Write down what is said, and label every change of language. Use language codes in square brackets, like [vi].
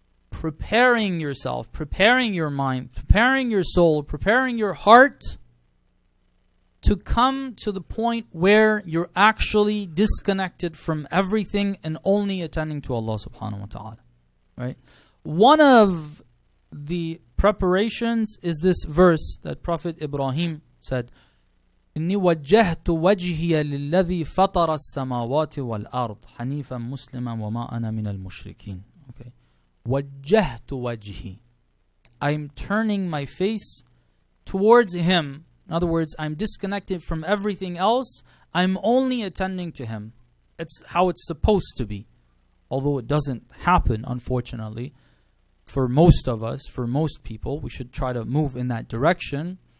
[en] Preparing yourself, preparing your mind, preparing your soul, preparing your heart to come to the point where you're actually disconnected from everything and only attending to Allah subhanahu wa ta'ala. Right? One of the preparations is this verse that Prophet Ibrahim said, [ar] إِنِّي وَجَّهْتُ وَجْهِيَ لِلَّذِي فَطَرَ السَّمَاوَاتِ وَالْأَرْضِ حَنِيفًا مُسْلِمًا وَمَا أَنَا مِنَ الْمُشْرِكِينَ. [en] Okay. [ar] وَجَّهْتُ وَجْهِي. [en] I'm turning my face towards him. In other words, I'm disconnected from everything else. I'm only attending to him. It's how it's supposed to be. Although it doesn't happen, unfortunately, for most of us, for most people, we should try to move in that direction.